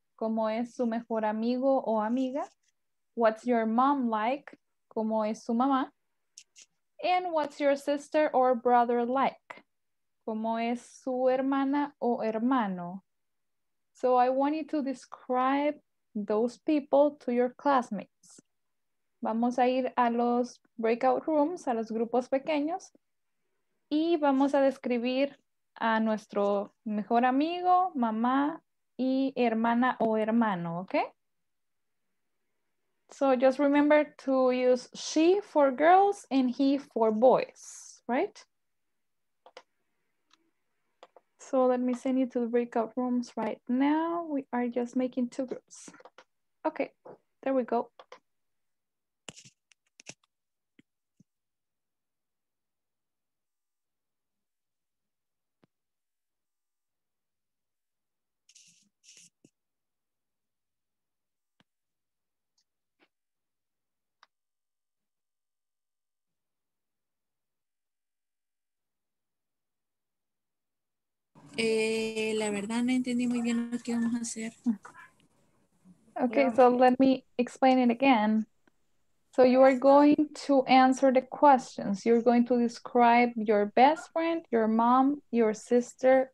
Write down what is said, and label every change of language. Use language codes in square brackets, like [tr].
[es] ¿Cómo es su mejor amigo o amiga? [en] What's your mom like? [es] ¿Cómo es su mamá? [en] And what's your sister or brother like? [es] ¿Cómo es su hermana o hermano? [en] So I want you to describe those people to your classmates. [es] Vamos a ir a los breakout rooms, a los grupos pequeños, y vamos a describir a nuestro mejor amigo, mamá, y hermana o hermano, okay? [en] So just remember to use she for girls and he for boys, right? So let me send you to the breakout rooms right now. We are just making two groups. Okay, there we go. [es] La verdad no entendí muy bien lo que vamos a hacer. [en] Okay, so let me explain it again. So you are going to answer the questions. You're going to describe your best friend, your mom, your sister.